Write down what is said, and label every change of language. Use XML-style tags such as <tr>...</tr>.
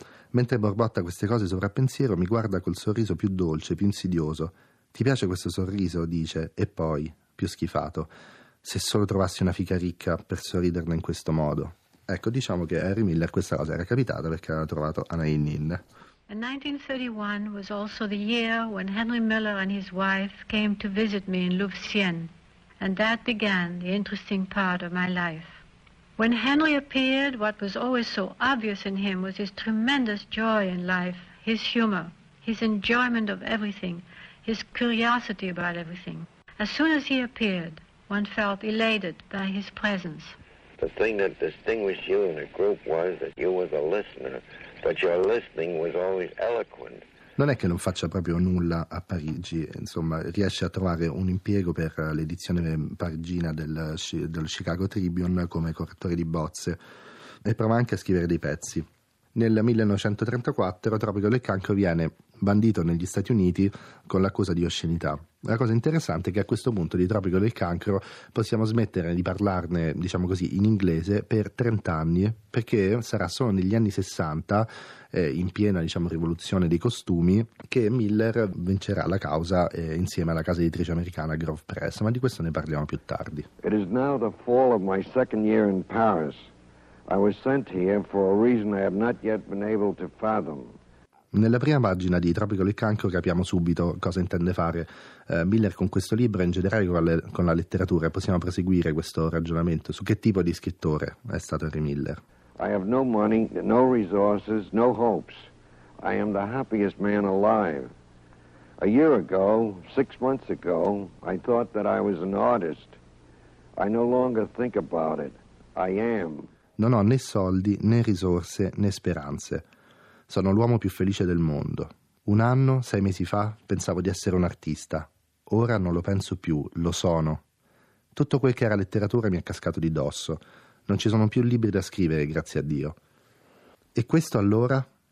<it>Mentre borbotta queste cose sopra pensiero, mi guarda col sorriso più dolce, più insidioso. Ti piace questo sorriso? Dice, e poi, più schifato, se solo trovassi una fica ricca per sorriderne in questo modo. Ecco, diciamo che Harry Miller questa cosa era capitata perché aveva trovato Anaï Nin.</it> <en>1931 was also the year when Henry Miller and his wife came to visit me in Louveciennes, and that began the interesting part of my life. When Henry appeared, what was always so obvious in him was his tremendous joy in life, his humor, his enjoyment of everything, his curiosity about everything. As soon as he appeared, one felt elated by his presence. The thing that distinguished you in the group was that you were the listener, but your listening was always eloquent.</en> <it>Non è che non faccia proprio nulla a Parigi, insomma, riesce a trovare un impiego per l'edizione parigina del Chicago Tribune come correttore di bozze e prova anche a scrivere dei pezzi. Nel 1934 Tropico del Cancro viene bandito negli Stati Uniti con l'accusa di oscenità. La cosa interessante è che a questo punto di Tropico del Cancro possiamo smettere di parlarne, diciamo così, in inglese per 30 anni, perché sarà solo negli anni 60, in piena, diciamo, rivoluzione dei costumi, che Miller vincerà la causa insieme alla casa editrice americana Grove Press, ma di questo ne parliamo più tardi.</it> <en>It is now the fall of my second year in Paris. I was sent here for a reason I have not yet been able to fathom.</en> <it>Nella prima pagina di Tropico del Cancro capiamo subito cosa intende fare Miller con questo libro e in generale con la letteratura. Possiamo proseguire questo ragionamento. Su che tipo di scrittore è stato Henry Miller?</it> <en>I have no money, no resources, no hopes. I am the happiest man alive. A year ago, 6 months ago, I thought that I was an artist. I no longer think about it. I am.</en> <it>Non ho né soldi, né risorse, né speranze. Sono l'uomo più felice del mondo. Un anno, 6 mesi fa, pensavo di essere un artista. Ora non lo penso più, lo sono. Tutto quel che era letteratura mi è cascato di dosso. Non ci sono più libri da scrivere, grazie a Dio. E questo allora?</it>